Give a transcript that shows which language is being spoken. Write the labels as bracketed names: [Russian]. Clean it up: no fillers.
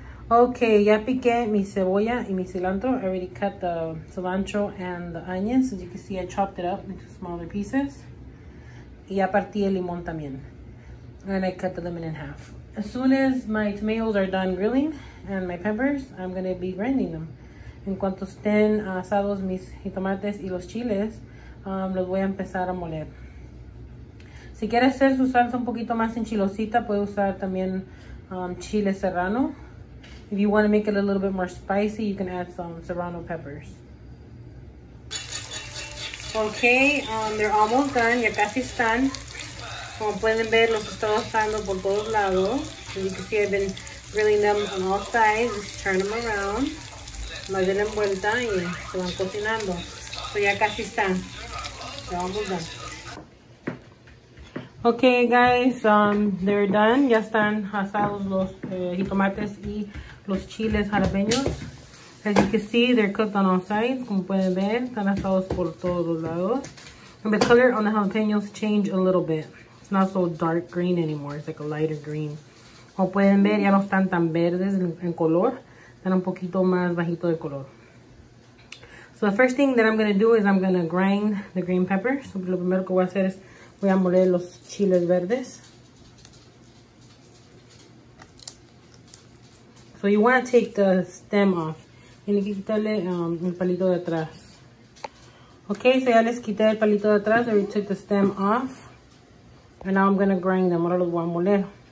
[Spanish] Okay, ya piqué mi cebolla y mi cilantro. [English] I already cut the cilantro and the onions. As you can see, I chopped it up into smaller pieces. [Spanish] Y ya partí el limón también. [English] And I cut the lemon in half. As soon as my tomatoes are done grilling and my peppers, I'm going to be grinding them. [Spanish] En cuanto estén asados mis jitomates y los chiles, los voy a empezar a moler. Si quieres hacer su salsa un poquito más enchilosita, puede usar también chile serrano. [English] If you want to make it a little bit more spicy, you can add some serrano peppers. Okay, they're almost done. [Spanish] Ya casi están. Como pueden ver, los estoy asando por todos lados. [English] As you can see, I've been grilling them on all sides. Just turn them around. [Spanish] Más den en vuelta y se van cocinando. [English] So [Spanish] ya casi están. [English] They're almost done. Okay, guys, they're done. [Spanish] Ya están asados los jitomates y los chiles jalapeños. [English] As you can see, they're cooked on all sides. [Spanish] Como pueden ver, están asados por todos lados. [English] And the color on the jalapeños change a little bit. It's not so dark green anymore. It's like a lighter green. [Spanish] Como pueden ver, ya no están tan verdes en color. Están un poquito más bajito de color. [English] So the first thing that I'm going to do is I'm going to grind the green peppers. [Spanish] So lo primero que voy a hacer es voy a moler los chiles verdes. [English] So you want to take the stem off. [Spanish] Tiene que quitarle el palito de atrás. Okay, so ya les quité el palito de atrás. [English] I took the stem off. And now I'm going to grind them. [Spanish] Ahora los voy a moler.